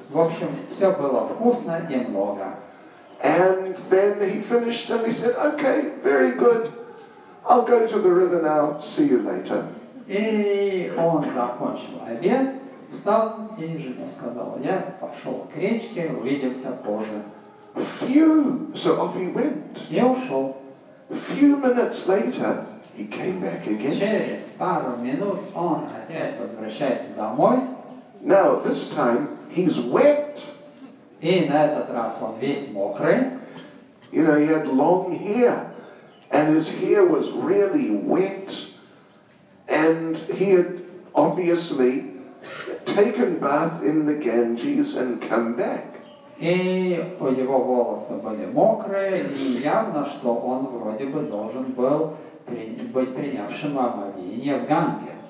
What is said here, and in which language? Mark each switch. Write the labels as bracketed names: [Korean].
[Russian] В общем, все было вкусно и много. [English] And then he finished and he said, okay, very good. I'll go to the river now. See you later. [Russian] И он закончил обед, встал, и жена сказала, я пошел к речке, увидимся позже. [English] Phew! So off he went. [Russian] И ушел. [English] Few minutes later, he came back again. [Russian] Через пару минут он опять возвращается домой. [English] Now, this time, he's wet. [Russian] И на этот раз он весь мокрый. [English] You know, he had long hair, and his hair was really wet. And he had obviously taken bath in the Ganges and come back. [Russian] И его волосы были мокрые, и явно, что он вроде бы должен был быть принявшим омовение в Ганге.